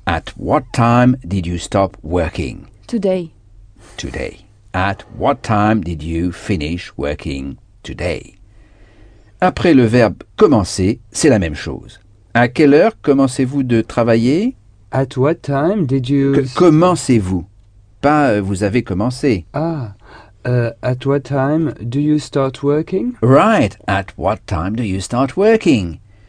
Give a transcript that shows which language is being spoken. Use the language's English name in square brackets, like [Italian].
[English] At what time did you stop working? Today. Today. At what time did you finish working today? [French] Après le verbe commencer, c'est la même chose. À quelle heure commencez-vous de travailler? [English] At what time did [French] Que [English] you? [French] commencez-vous? Pas vous avez commencé. [English] At what time do you start working? Right. At what time do you start working?